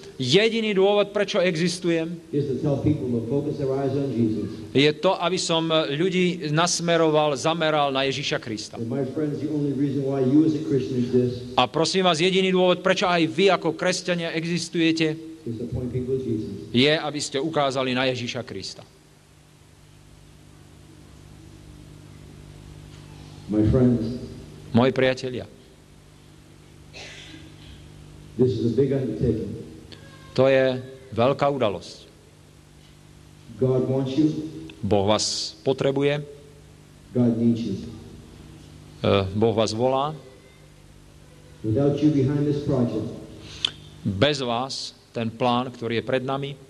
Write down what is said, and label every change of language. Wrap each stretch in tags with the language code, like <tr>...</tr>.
<sk>jediný dôvod, prečo existujem,</sk> <en>is to tell people to focus their eyes on Jesus.</en> <sk>Je to, aby som ľudí nasmeroval, zameral na Ježíša Krista.</sk> <en>And my friends, the only reason why you as a Christian exist,</en> <sk>a prosím vás, jediný dôvod, prečo aj vy ako kresťania existujete,</sk> <en>is to point people to Jesus.</en> <sk>Je, aby ste ukázali na Ježíša Krista.</sk> <en>My friends,</en> <sk>moji priatelia,</sk> <en>this is a big undertaking.</en> <sk>To je veľká udalosť.</sk> <en>God wants you.</en> <sk>Boh vás potrebuje.</sk> <en>God needs you.</en> <sk>Boh vás volá.</sk> <en>Without you behind this project,</en> <sk>bez vás ten plán, ktorý je pred nami,</sk>